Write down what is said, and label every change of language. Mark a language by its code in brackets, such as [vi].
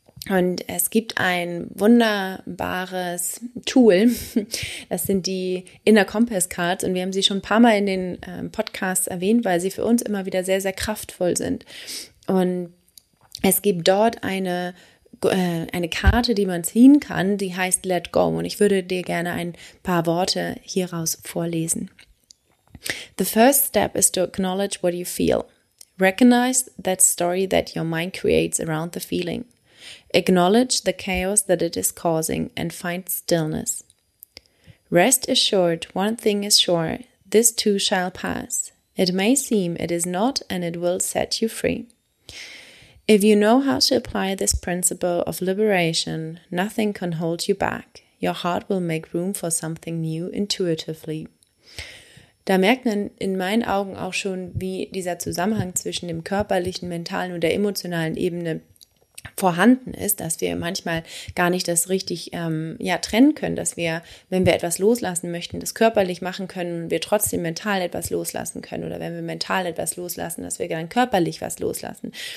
[de] Und es gibt ein wunderbares Tool, das sind die Inner Compass Cards und wir haben sie schon ein paar Mal in den Podcasts erwähnt, weil sie für uns immer wieder sehr, sehr kraftvoll sind. Und es gibt dort eine Karte, die man ziehen kann, die heißt Let Go. Und ich würde dir gerne ein paar Worte hieraus vorlesen. [en] The first step is to acknowledge what you feel. Recognize that story that your mind creates around the feeling. Acknowledge the chaos that it is causing and find stillness. Rest assured, one thing is sure, this too shall pass. It may seem it is not and it will set you free. If you know how to apply this principle of liberation, nothing can hold you back. Your heart will make room for something new intuitively. [de] Da merkt man in meinen Augen auch schon, wie dieser Zusammenhang zwischen dem körperlichen, mentalen und der emotionalen Ebene vorhanden ist, dass wir manchmal gar nicht das richtig trennen können, dass wir, wenn wir etwas loslassen möchten, das körperlich machen können, wir trotzdem mental etwas loslassen können oder wenn wir mental etwas loslassen, dass wir dann körperlich was loslassen.